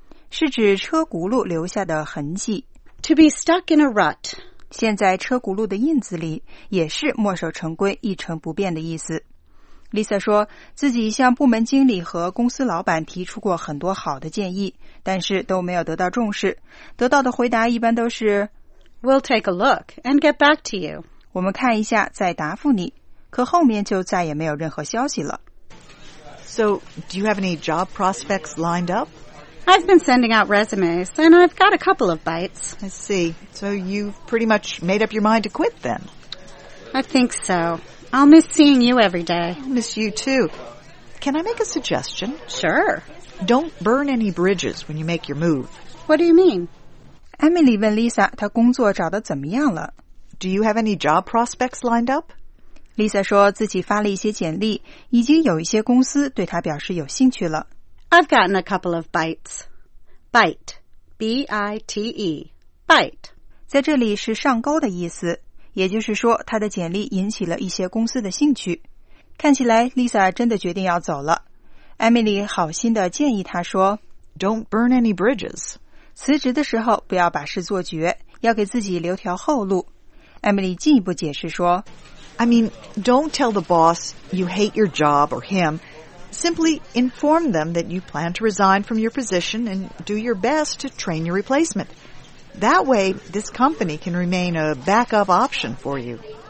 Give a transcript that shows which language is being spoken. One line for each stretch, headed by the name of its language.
Chinese: 是指车轱辘留下的痕迹。
English: To be stuck in a rut
Chinese: 现在车轱辘的印子里也是墨守成规一成不变的意思。 Lisa 说自己向部门经理和公司老板提出过很多好的建议，但是都没有得到重视。得到的回答一般都是
English: We'll take a look and get back to you.
Chinese: 我们看一下再答复你。可后面就再也没有任何消息了。
English: So, do you have any job prospects lined up? I've been sending out resumes and I've got a couple of bites. I see. So you've pretty much made up your mind to quit then? I think so. I'll miss seeing you every day. I'll miss you too. Can I make a suggestion? Sure. Don't burn any bridges when you make your move. What do you mean?
Chinese: Emily 问 Lisa 她工作找得怎么样了。
English: Do you have any job prospects lined up?
Chinese: Lisa 说自己发了一些简历，已经有一些公司对她表示有兴趣了。
English: I've gotten a couple of bites. Bite. B-I-T-E. Bite.
Chinese: 在这里是上钩的意思。也就是说他的简历引起了一些公司的兴趣。看起来 Lisa 真的决定要走了。Emily 好心地建议他说
English: Don't burn any bridges.
Chinese: 辞职的时候不要把事做绝，要给自己留条后路。 Emily 进一步解释说
English: I mean, don't tell the boss you hate your job or him. Simply inform them that you plan to resign from your position and do your best to train your replacement. That way, this company can remain a backup option for you.